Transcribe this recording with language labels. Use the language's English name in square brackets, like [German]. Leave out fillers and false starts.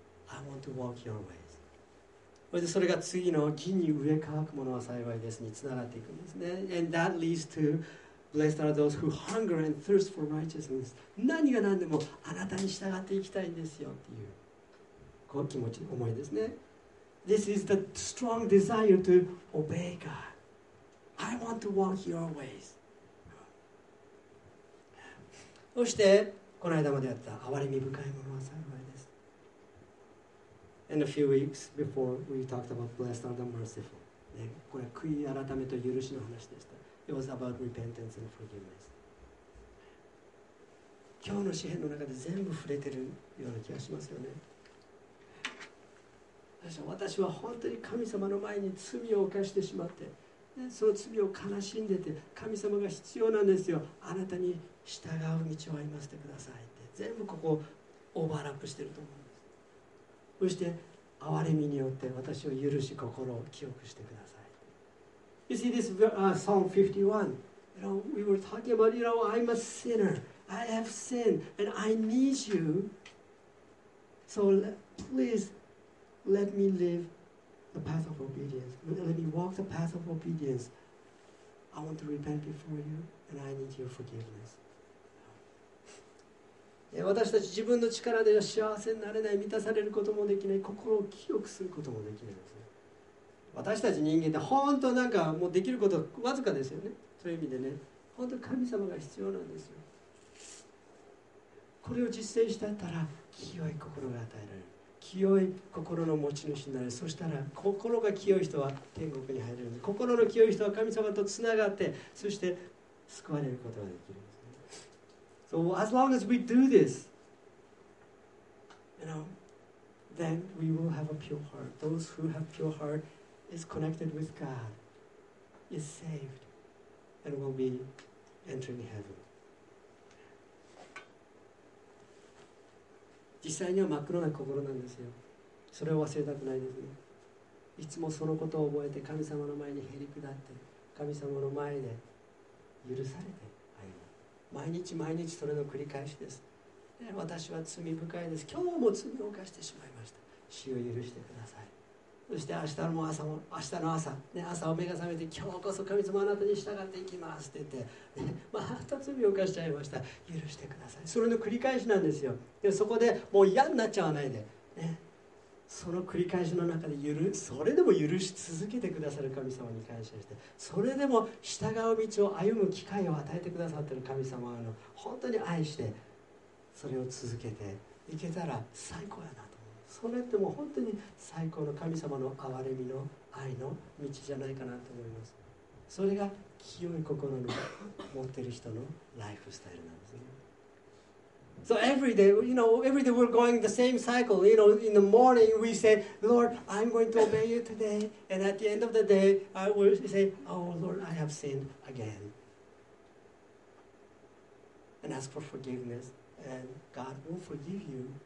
[English] I want to walk your ways. [Japanese] それが次の義に飢え渇くものは幸いですにつながっていくんですね。 [English] And that leads to blessed are those who hunger and thirst for righteousness. [Japanese] 何が何でもあなたに従っていきたいんですよっていう。こう気持ち思いですね。 [English] This is the strong desire to obey God. I want to walk your ways. [Japanese] そしてこの間まであった憐れみ深いものは幸いです。 [English] And a few weeks before we talked about blessed are the merciful. [Japanese] ね、これは悔い改めと許しの話でした。 [English] It was about repentance and forgiveness. [Japanese] 今日の詩篇の中で全部触れてるような気がしますよね。私は本当に神様の前に罪を犯してしまって、ね、その罪を悲しんでて、神様が必要なんですよ、あなたに従う道を歩ませてくださいって、全部ここオーバーラップしてると思うんです。そして憐れみによって私を許し、心を清くしてください。 [English] You see this Psalm 51, you know, we were talking about, you know, I'm a sinner, I have sinned, and I need you, so pleaseLet me live the path of obedience. Let me walk the path of obedience. I want to repent before you, and I need your forgiveness. [Japanese] 私たち自分の力では幸せになれない、満たされることもできない、心を清くすることもできないですね。私たち人間って本当なんかもうできることわずかですよね。そういう意味でね、本当神様が必要なんですよ。これを実践したったら清い心が与えられる、清い心の持ち主になる。そしたら心が清い人は天国に入れるんです。心の清い人は神様とつながって、そして救われることができるんですね。 [English] So as long as we do this, you know, then we will have a pure heart. Those who have pure heart is connected with God, is saved, and will be entering heaven. [Japanese] 実際には真っ黒な心なんですよ。それを忘れたくないですね。いつもそのことを覚えて、神様の前にへりくだって、神様の前で許されて歩む。毎日毎日それの繰り返しです。私は罪深いです。今日も罪を犯してしまいました。死を許してください。そして明日の朝、ね、朝を目が覚めて、今日こそ神様あなたに従っていきますって言って、ね、また罪を犯しちゃいました。許してください。それの繰り返しなんですよ。でそこでもう嫌になっちゃわないで、ね、その繰り返しの中で許、それでも許し続けてくださる神様に感謝して、それでも従う道を歩む機会を与えてくださってる神様を本当に愛して、それを続けていけたら最高やな。それってもう本当に最高の神様の憐れみの愛の道じゃないかなと思います。それが清い心の持っている人のライフスタイルなんですね。 [English] So every day, you know, every day we're going the same cycle. You know, in the morning we say, Lord, I'm going to obey you today. And at the end of the day, I will say, Oh Lord, I have sinned again. And ask for forgiveness. And God will forgive you.